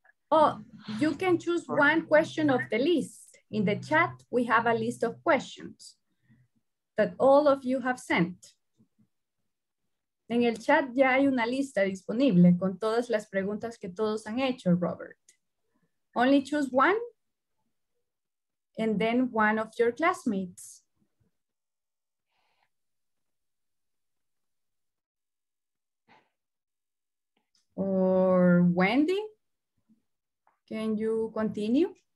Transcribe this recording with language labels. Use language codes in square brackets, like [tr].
[en] Oh, you can choose one question of the list. In the chat, we have a list of questions that all of you have sent. [es] En el chat ya hay una lista disponible con todas las preguntas que todos han hecho, Robert. [en] Only choose one and then one of your classmates. Or Wendy, can you continue?